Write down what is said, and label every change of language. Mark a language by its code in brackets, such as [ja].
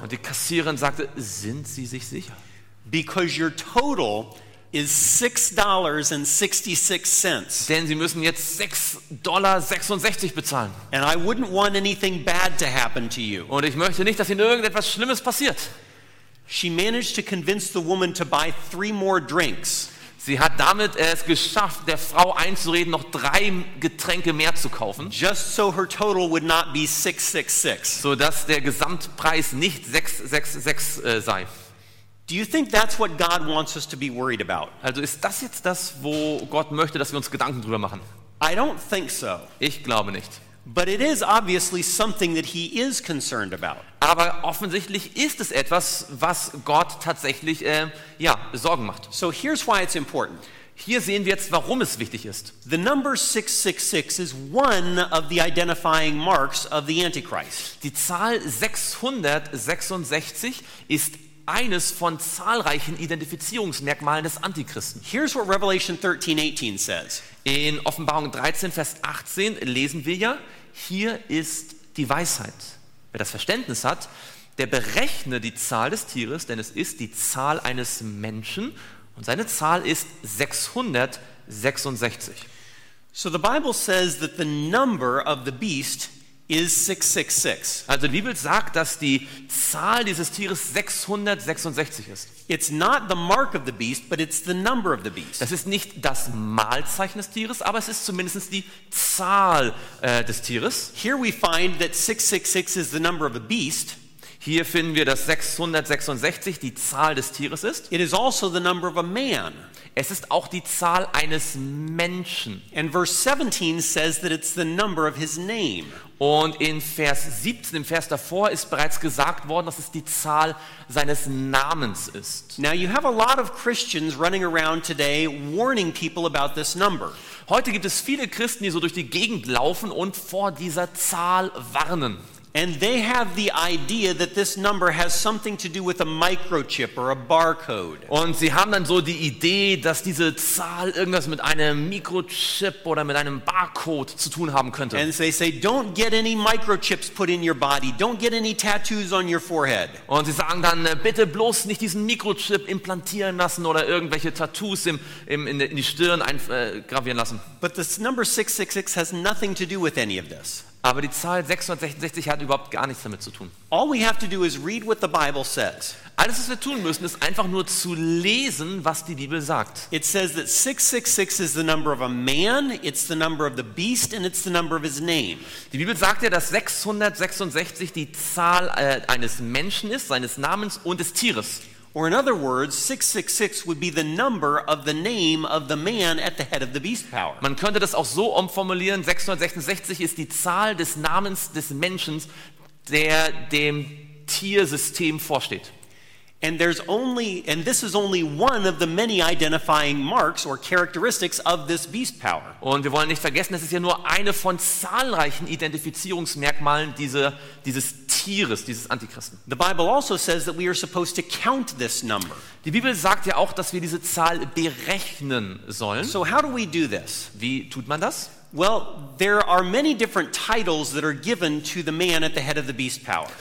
[de] Und die Kassiererin sagte, sind Sie sich sicher? [en] "Because your total is $6.66. [de] Denn Sie müssen jetzt $6.66 bezahlen. [en] And I wouldn't want anything bad to happen to you." [de] Und ich möchte nicht, dass Ihnen irgendetwas Schlimmes passiert. [en] She managed to convince the woman to buy 3 more drinks. [de] Sie hat damit es geschafft, der Frau einzureden, noch 3 Getränke mehr zu kaufen. [en] Just so her total would not be 666. [de] So dass der Gesamtpreis nicht 666 sei. [en] Do you think that's what God wants us to be worried about? [de] Also ist das jetzt das, wo Gott möchte, dass wir uns Gedanken drüber machen? [en] I don't think so. [de] Ich glaube nicht. [en] But it is obviously something that he is concerned about. [de] Aber offensichtlich ist es etwas, was Gott tatsächlich Sorgen macht. [en] So here's why it's important. [de] Hier sehen wir jetzt, warum es wichtig ist. [en] The number 666 is one of the identifying marks of the Antichrist. [de] Die Zahl 666 ist eines von zahlreichen Identifizierungsmerkmalen des Antichristen. [en] Here's what Revelation 13, 18 says. [de] In Offenbarung 13, Vers 18 lesen wir ja, hier ist die Weisheit. Wer das Verständnis hat, der berechne die Zahl des Tieres, denn es ist die Zahl eines Menschen und seine Zahl ist 666. [en] So the Bible says that the number of the beast is 666. [de] Also die Bibel sagt, dass die Zahl dieses Tieres 666 ist. [en] It's not the mark of the beast, but it's the number of the beast. [de] Das ist nicht das Malzeichen des Tieres, aber es ist zumindest die Zahl des Tieres. [en] Here we find that 666 is the number of the beast. [de] Hier finden wir, dass 666 die Zahl des Tieres ist. [en] It is also the number of a man. [de] Es ist auch die Zahl eines Menschen. [en] And verse 17 says that it's the number of his name. [de] Und in Vers 17, im Vers davor, ist bereits gesagt worden, dass es die Zahl seines Namens ist. [en] Now you have a lot of Christians running around today warning people about this number. [de] Heute gibt es viele Christen, die so durch die Gegend laufen und vor dieser Zahl warnen. [en] And they have the idea that this number has something to do with a microchip or a barcode. [de] Und sie haben dann so die Idee, dass diese Zahl irgendwas mit einem Mikrochip oder mit einem Barcode zu tun haben könnte. [en] And they say, don't get any microchips put in your body. Don't get any tattoos on your forehead. [de] Und sie sagen dann, bitte bloß nicht diesen Mikrochip implantieren lassen oder irgendwelche Tattoos in die Stirn eingravieren lassen. [en] But this number 666 has nothing to do with any of this. [de] Aber die Zahl 666 hat überhaupt gar nichts damit zu tun. [en] All we have to do is read what the Bible says. [de] Alles, was wir tun müssen, ist einfach nur zu lesen, was die Bibel sagt. [en] It says that 666 is the number of a man, it's the number of the beast, and it's the number of his name. [de] Die Bibel sagt ja, dass 666 die Zahl eines Menschen ist, seines Namens und des Tieres. [en] Or in other words, 666 would be the number of the name of the man at the head of the beast power. [de] Man könnte das auch so umformulieren, 666 ist die Zahl des Namens des Menschen, der dem Tiersystem vorsteht. [en] And this is only one of the many identifying marks or characteristics of this beast power. [de] Und wir wollen nicht vergessen, es ist ja nur eine von zahlreichen Identifizierungsmerkmalen dieses Tieres, dieses Antichristen. [en] The Bible also says that we are supposed to count this number. [de] Die Bibel sagt ja auch, dass wir diese Zahl berechnen sollen. [en] So how do we do this? [de] Wie tut man das? [en] Well, there are many different titles that are given to the man at the head of the beast power.